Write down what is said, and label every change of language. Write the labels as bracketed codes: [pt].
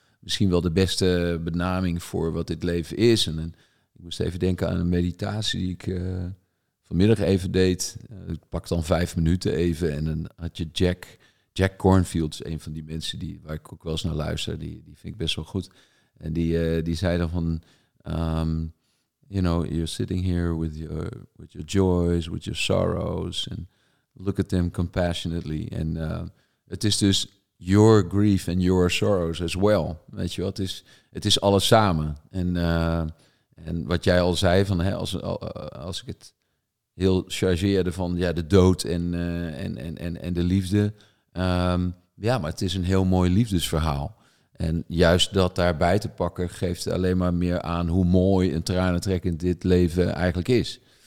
[nl] Misschien wel de beste benaming voor wat dit leven is. En ik moest even denken aan een meditatie die ik vanmiddag even deed. Ik pak dan 5 minuten even. En dan had je Jack Kornfield, een van die mensen waar ik ook wel eens naar luister. Die vind ik best wel goed. En die zei dan van, [en] you know, you're sitting here with your joys, with your sorrows. And look at them compassionately. [nl] En het is dus... [en] Your grief and your sorrows as well. [nl] Weet je wel, het is alles samen. En wat jij al zei, van hè, als ik het heel chargeerde van ja, de dood en de liefde. Maar het is een heel mooi liefdesverhaal. En juist dat daarbij te pakken geeft alleen maar meer aan hoe mooi en tranentrekkend dit leven eigenlijk is.